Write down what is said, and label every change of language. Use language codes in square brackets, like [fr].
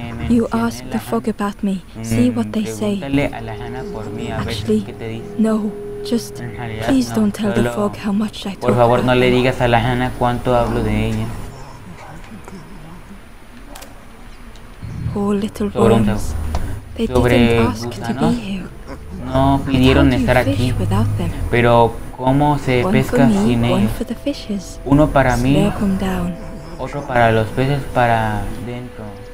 [en] You ask the frog about me. See what they say. Actually, no. Just please don't tell the frog how much I talk. [es] Por favor, no le digas a la jana cuánto hablo de ella. [en] Poor little worms. They didn't ask to be here. [es] No pidieron estar aquí. Pero ¿cómo se pesca sin ellos? Uno para mí, otro para los peces, para dentro.